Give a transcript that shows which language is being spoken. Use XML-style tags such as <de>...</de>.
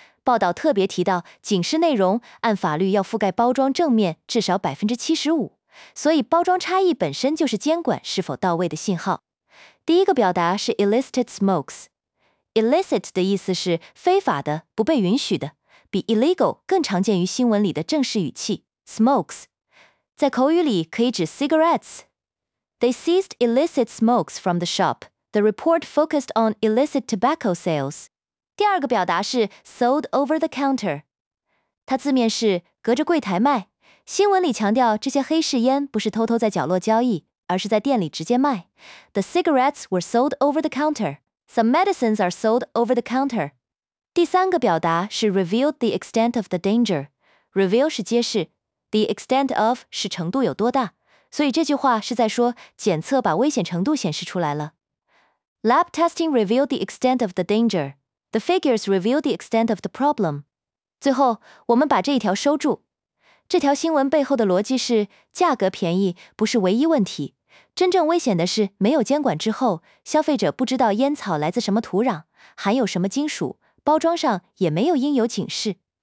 <zh>报道特别提到警示内容按法律要覆盖包装正面至少 75%, 所以包装差异本身就是监管是否到位的信号。第一个表达是</zh> <en>illicit smokes。</en> <zh>illicit 的意思是非法的、不被允许的，比 illegal 更常见于新闻里的正式语气 smokes。在口语里可以指 cigarettes。</zh> <en>They seized illicit smokes from the shop. The report focused on illicit tobacco sales.</en> <zh>第二个表达是</zh> <en>sold over the counter.</en> <zh>它字面是隔着柜台卖。新闻里强调这些黑市烟不是偷偷在角落交易，而是在店里直接卖。</zh> <en>The cigarettes were sold over the counter. Some medicines are sold over the counter.</en> <zh>第三个表达是</zh> <en>revealed the extent of the danger.</en> <zh>Reveal 是揭示，</zh> <en>the extent of</en> <zh>是程度有多大。所以这句话是在说检测把危险程度显示出来了。</zh> <en>Lab testing revealed the extent of the danger. The figures revealed the extent of the problem.</en> <zh>最后，我们把这一条收住。这条新闻背后的逻辑是，价格便宜不是唯一问题。真正危险的是，没有监管之后，消费者不知道烟草来自什么土壤，含有什么金属，包装上也没有应有警示。</zh>